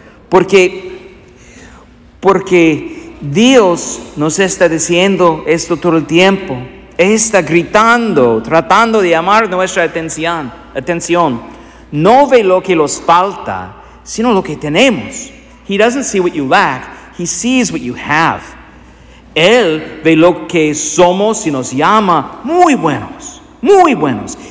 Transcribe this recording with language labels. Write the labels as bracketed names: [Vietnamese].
[Spanish] Porque Dios nos está diciendo esto todo el tiempo. Está gritando, tratando de llamar nuestra atención. No ve lo que nos falta, sino lo que tenemos. [English] He doesn't see what you lack, he sees what you have. [Spanish] Él ve lo que somos y nos llama muy buenos, muy buenos.